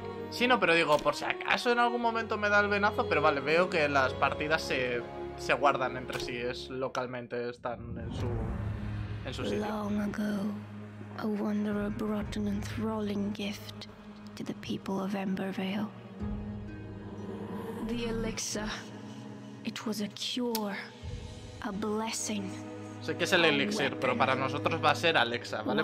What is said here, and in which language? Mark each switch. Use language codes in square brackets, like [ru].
[es] Sí, no, pero digo, por si acaso en algún momento me da el venazo, pero vale, veo que las partidas se guardan entre sí, es localmente, están en su sitio. [en] Long ago, a wanderer brought an enthralling gift to the people of Embervale. The elixir. It was a cure, a blessing, [es] Sé que es el elixir, pero para nosotros va a ser Alexa, ¿vale?